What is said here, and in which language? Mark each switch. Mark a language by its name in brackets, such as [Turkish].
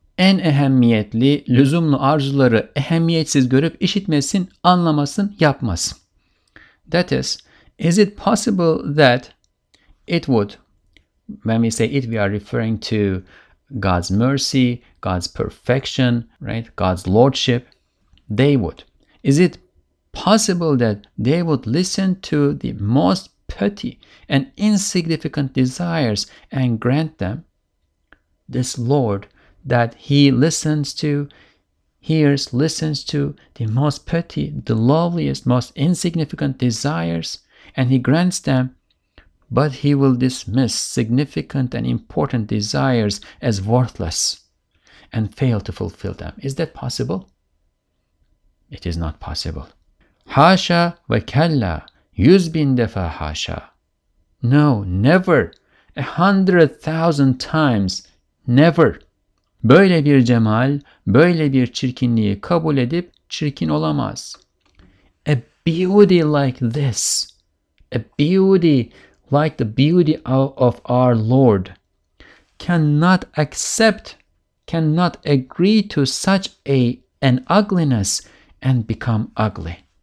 [Turkish] En ehemmiyetli, lüzumlu arzuları ehemmiyetsiz görüp işitmesin, anlamasın, yapmasın. [English] That is it possible that it would, when we say it, we are referring to God's mercy, God's perfection, right? God's lordship, they would. Is it possible that they would listen to the most petty and insignificant desires and grant them? This Lord that he listens to, hears, listens to the most petty, the loveliest, most insignificant desires, and he grants them, but he will dismiss significant and important desires as worthless and fail to fulfill them. Is that possible? It is not possible. [Turkish] Haşa ve kella, [English] 100,000 times [Turkish] haşa. [English] No, never. 100,000 times, never. [Turkish] Böyle bir cemal, böyle bir çirkinliği kabul edip çirkin olamaz. [English] A beauty like this, a beauty like the beauty of our Lord, cannot agree to such an ugliness and become ugly.